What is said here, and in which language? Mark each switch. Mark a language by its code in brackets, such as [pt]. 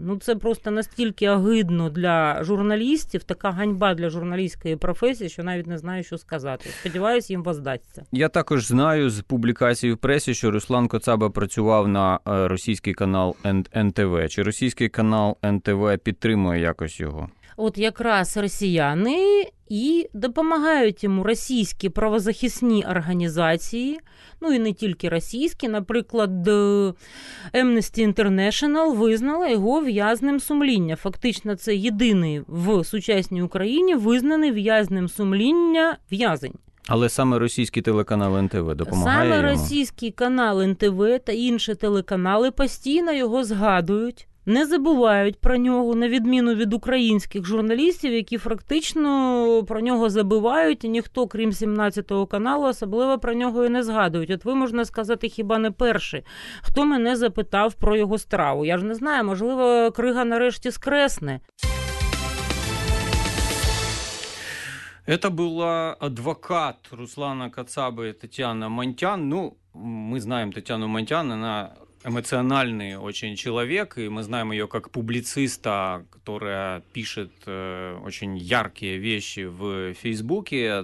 [uk] Ну, це просто настільки огидно для журналістів, така ганьба для журналістської професії, що навіть не знаю, що сказати. Сподіваюсь, їм воздасться. Я також знаю з публікацій в пресі, що Руслан Коцаба працював на російський канал НТВ. Чи російський канал НТВ підтримує якось його? От якраз росіяни і допомагають йому російські правозахисні організації, ну і не тільки російські, наприклад, Amnesty International визнала його в'язнем сумління. Фактично, це єдиний в сучасній Україні визнаний в'язнем сумління в'язень. Але саме російський телеканал НТВ допомагає саме йому? Саме російський канал НТВ та інші телеканали постійно його згадують. не забувають про нього, на відміну від українських журналістів, які фактично про нього забувають, і ніхто, крім 17-го каналу, особливо про нього і не згадують. От ви, можна сказати, хіба не перший, хто мене запитав про його страву. Я ж не знаю, можливо, крига нарешті скресне. [ru] Это была адвокат Руслана Кацабы Татьяна Монтян. Ну, мы знаем Татьяну Монтян, она эмоциональный очень человек, и мы знаем ее как публициста, которая пишет очень яркие вещи в Фейсбуке.